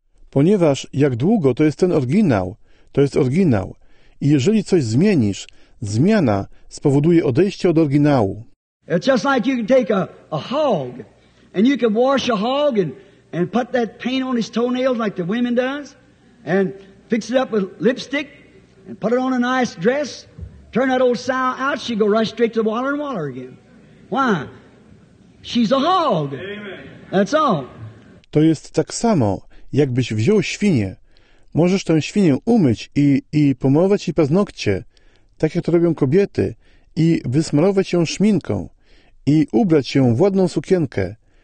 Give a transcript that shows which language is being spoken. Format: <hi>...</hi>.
<pl>Ponieważ jak długo to jest ten oryginał, to jest oryginał. I jeżeli coś zmienisz, zmiana spowoduje odejście od oryginału.</pl> <en>It's just like you can take a hog, and you can wash a hog and put that paint on his toenails like the women does, and fix it up with lipstick, and put it on a nice dress, turn that old sow out, she go right straight to the water and water again. Why? She's a hog. Amen. That's all.</en> <pl>To jest tak samo, jakbyś wziął świnię. Możesz tę świnię umyć i pomalować jej paznokcie, tak jak to robią kobiety, i wysmarować ją szminką, i ubrać ją w ładną sukienkę.</pl>